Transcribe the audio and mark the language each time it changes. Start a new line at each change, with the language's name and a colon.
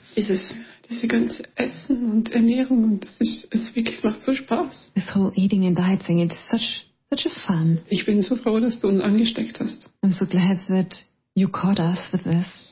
German: Diese ganze Essen und Ernährung, es macht so Spaß.
English: This whole eating and dieting, it's such a fun.
German: Ich bin so froh, dass du uns angesteckt hast.
English: I'm so glad that you caught us with this.